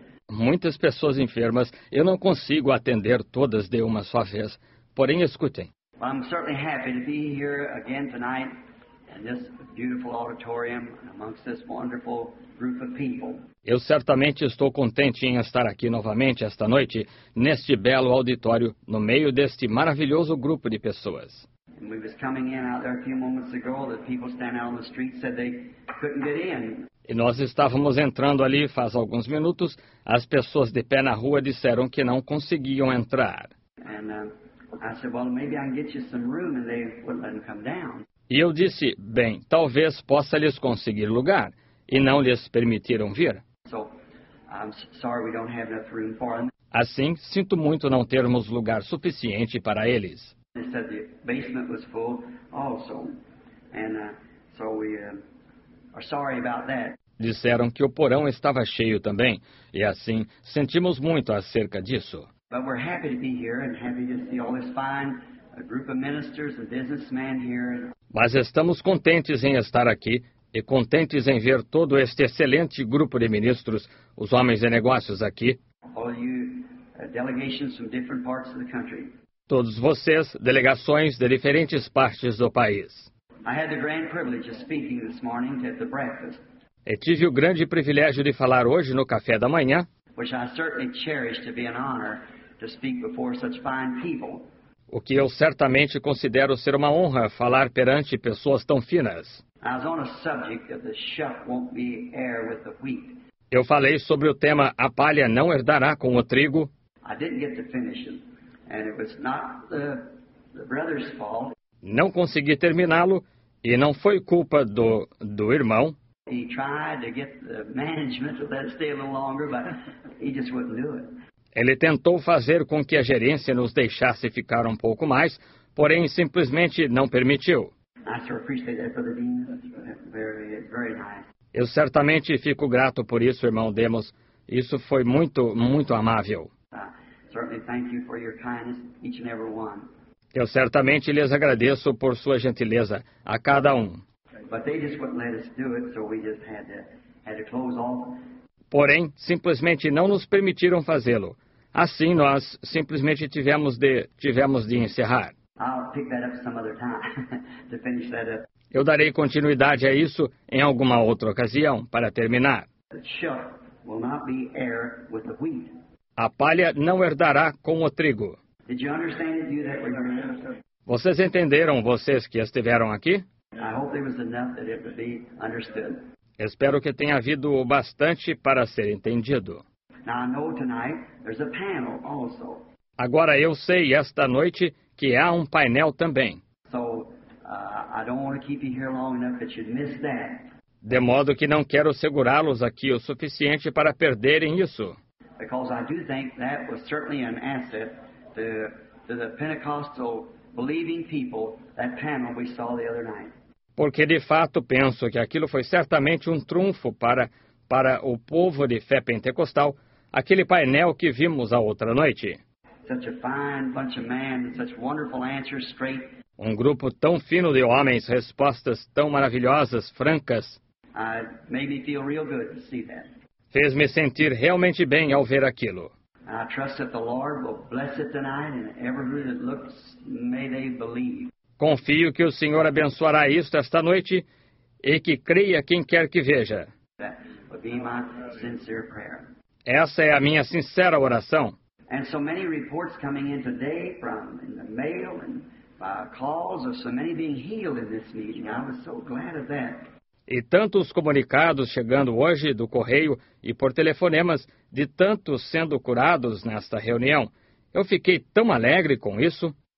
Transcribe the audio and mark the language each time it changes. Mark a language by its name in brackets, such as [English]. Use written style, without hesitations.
[Portuguese] Muitas pessoas enfermas, eu não consigo atender todas de uma só vez, porém escutem. [English] I'm certainly happy to be here again tonight in this beautiful auditorium amongst this wonderful group of people. [Portuguese] Eu certamente estou contente em estar aqui novamente esta noite neste belo auditório no meio deste maravilhoso grupo de pessoas. [English] And we was coming in out there a few moments ago, the people standing out on the street said they couldn't get in. [Portuguese] E nós estávamos entrando ali faz alguns minutos, as pessoas de pé na rua disseram que não conseguiam entrar. [English] And I said, well, maybe I can get you some room, and they wouldn't let them come down. [Portuguese] E eu disse, bem, talvez possa lhes conseguir lugar, e não lhes permitiram vir. [English] So, I'm sorry we don't have enough room for them. [Portuguese] Assim, sinto muito não termos lugar suficiente para eles. [English] They said the basement was full also, and so we are sorry about that. [Portuguese] Disseram que o porão estava cheio também, e assim, sentimos muito acerca disso. [English] But we're happy to be here and happy to see all this fine group of ministers and businessmen here. [Portuguese] Mas estamos contentes em estar aqui e contentes em ver todo este excelente grupo de ministros, os homens de negócios aqui. [English] All you delegations from different parts of the country. [Portuguese] Todos vocês, delegações de diferentes partes do país. [English] I had the grand privilege of speaking this morning at the breakfast. [Portuguese] E tive o grande privilégio de falar hoje no café da manhã. [English] Which I certainly cherish to be an honor to speak before such fine people. [Portuguese] O que eu certamente considero ser uma honra falar perante pessoas tão finas. [English] I was on a subject that the sheaf won't be heir with the wheat. [Portuguese] Eu falei sobre o tema a palha não herdará com o trigo. [English] I didn't get to finish it, and it was not the brother's fault. [Portuguese] Não consegui terminá-lo e não foi culpa do irmão. [English] He tried to get the management to let us stay a little longer, but he just wouldn't do it. [Portuguese] Ele tentou fazer com que a gerência nos deixasse ficar um pouco mais, porém simplesmente não permitiu. [English] I sure appreciate that, Brother Dean. Very nice. [Portuguese] Eu certamente fico grato por isso, irmão Demos. Isso foi muito, muito amável. [English] Certainly thank you for your kindness, each and every one. [Portuguese] Eu certamente lhes agradeço por sua gentileza a cada um. [English] But they just wouldn't let us do it, so we just had to close off. [Portuguese] Porém, simplesmente não nos permitiram fazê-lo. Assim, nós simplesmente tivemos de encerrar. [English] I'll pick that up some other time to finish that up. [Portuguese] Eu darei continuidade a isso em alguma outra ocasião para terminar. [English] The sheaf will not be heir with the wheat. [Portuguese] A palha não herdará com o trigo. [English] Did you understand that you that were here? [Portuguese] Vocês entenderam, vocês que estiveram aqui? [English] I hope there was enough that it would be understood. [Portuguese] Espero que tenha havido o bastante para ser entendido. [English] Now I know tonight there's a panel also. [Portuguese] Agora eu sei esta noite que há um painel também. [English] So I don't want to keep you here long enough that you'd miss that. [Portuguese] De modo que não quero segurá-los aqui o suficiente para perderem isso. [English] Because I do think that was certainly an asset to the Pentecostal believing people, that panel we saw the other night. [Portuguese] Porque de fato penso que aquilo foi certamente um trunfo para o povo de fé pentecostal, aquele painel que vimos a outra noite. [English] Such a fine bunch of men, such wonderful answers straight. [Portuguese] Um grupo tão fino de homens, respostas tão maravilhosas, francas. [English] I made me feel real good to see that. [Portuguese] Fez-me sentir realmente bem ao ver aquilo. [English] I trust that the Lord will bless it tonight, and everyone that looks, may they believe. [Portuguese] Confio que o Senhor abençoará isto esta noite e que creia quem quer que veja. [English] That would be my sincere prayer. [Portuguese] Essa é a minha sincera oração. [English] And so many reports coming in today from in the mail and by calls of so many being healed in this meeting. I was so glad of that. [Portuguese] E tantos comunicados chegando hoje do correio e por telefonemas de tantos sendo curados nesta reunião. Eu fiquei tão alegre com isso.